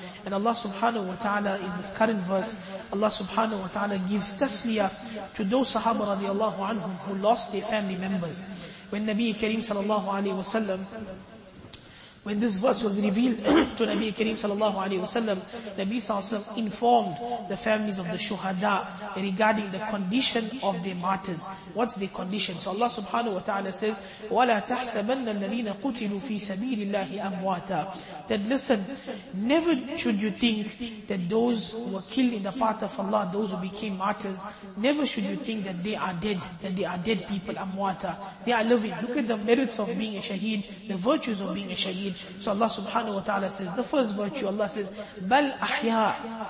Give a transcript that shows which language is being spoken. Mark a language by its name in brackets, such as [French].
[English] And Allah subhanahu wa ta'ala in this current verse, Allah subhanahu wa ta'ala gives tasliya to those Sahaba radiallahu anhum who lost their family members. When Nabi Kareem sallallahu alayhi wa sallam, when this verse was revealed to Nabi Kareem sallallahu alayhi wa sallam, Nabi sallallahu alayhi wa sallam informed the families of the shuhada regarding the condition of their martyrs. What's the condition? [Arabic] So Allah subhanahu wa ta'ala says, وَلَا تَحْسَبَنَّ الَّذِينَ قُتِلُوا فِي سَبِيلِ اللَّهِ أَمْوَاتًا. [English] That listen, never should you think that those who were killed in the path of Allah, those who became martyrs, never should you think that they are dead, that they are dead people, amwata. They are living. Look at the merits of being a shaheed, the virtues of being a shaheed. So Allah subhanahu wa ta'ala says, the first virtue, Allah says, [Arabic] بَلْ أَحْيَا.